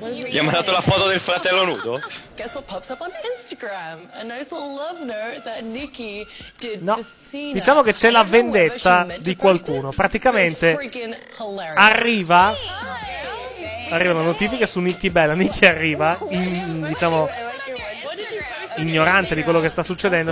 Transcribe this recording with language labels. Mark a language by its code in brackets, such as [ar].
[it] Gli ha mandato la foto del fratello nudo? [en] Guess what pops up on Instagram? A nice little love note that Nikki did. [it] No, diciamo che c'è la vendetta di qualcuno. Praticamente arriva, arriva una notifica su Nikki Bella. Nikki arriva, diciamo ignorante di quello che sta succedendo.